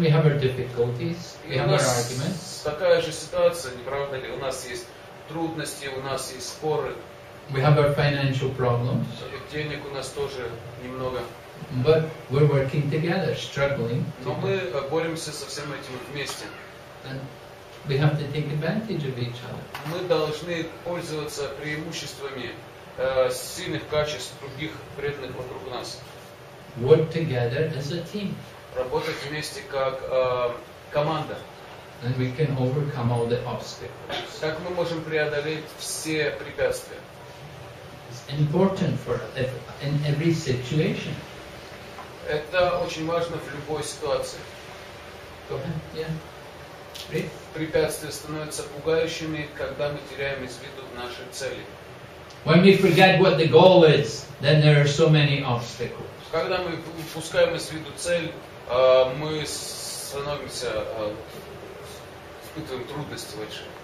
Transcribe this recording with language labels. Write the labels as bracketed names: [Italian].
[English] We have our difficulties, we have our arguments. [Russian] Такая же ситуация, не правда ли? У нас есть трудности, у нас есть споры. [English] We have our financial problems. [Russian] Денег у нас тоже немного. [English] But we're working together, struggling. [Russian] Но мы боремся со всем этим вместе. [English] And we have to take advantage of each other. [Russian] Мы должны пользоваться преимуществами сильных качеств других преданных вокруг нас. [English] Work together as a team. [Russian] Работать вместе как команда. [English] And we can overcome all the obstacles. [Russian] Так мы можем преодолеть все препятствия. [English] Important for in every situation. [Russian] Это очень важно в любой ситуации. [English] Go ahead. Yeah. Read. [Russian] Препятствия становятся пугающими, когда мы теряем из виду наши цели. [English] When we forget what the goal is, then there are so many obstacles. [Russian] Когда мы упускаем из виду цель, мы становимся испытываем трудности больше.